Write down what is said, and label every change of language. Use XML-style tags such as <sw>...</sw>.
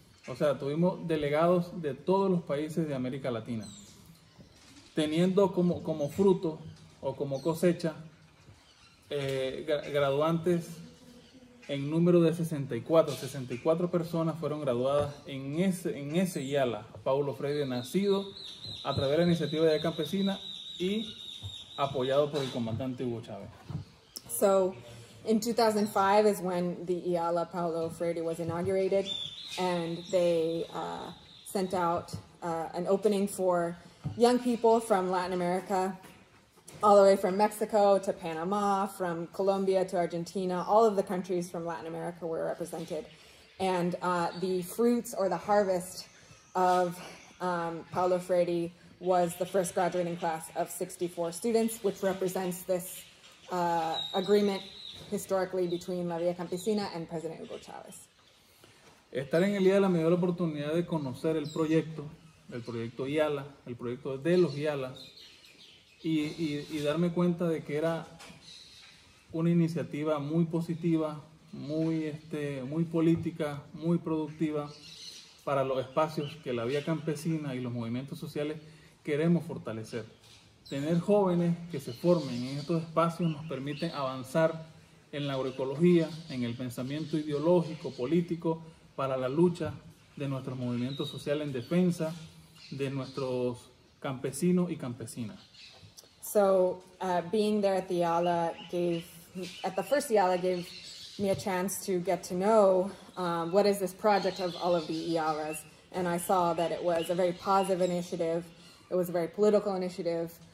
<es>O sea, tuvimos delegados de todos los países de América Latina, teniendo como fruto o como cosecha graduantes en número de 64. 64 personas fueron graduadas en ese IALA, Paulo Freire, nacido a través de la iniciativa de Campesina y apoyado por el comandante Hugo Chávez.</es> <en>So, in 2005 is when the IALA Paulo Freire was inaugurated, and they sent out an opening for young people from Latin America, all the way from Mexico to Panama, from Colombia to Argentina. All of the countries from Latin America were represented. And the fruits or the harvest of Paulo Freire was the first graduating class of 64 students, which represents this agreement historically between La Vía Campesina and President Hugo Chávez.</en> <es>Estar en el IALA me dio la oportunidad de conocer el proyecto IALA, el proyecto de los IALAs, y darme cuenta de que era una iniciativa muy positiva, muy política, muy productiva para los espacios que la Vía Campesina y los movimientos sociales queremos fortalecer. Tener jóvenes que se formen en estos espacios nos permite avanzar en la agroecología, en el pensamiento ideológico, político, para la lucha de nuestros movimientos sociales en defensa de nuestros campesinos y campesinas.</es> <en>So being there at the Yala gave, at the first Yala gave me a chance to get to know what is this project of all of the Yalas. And I saw that it was a very positive initiative. It was a very political initiative.</en>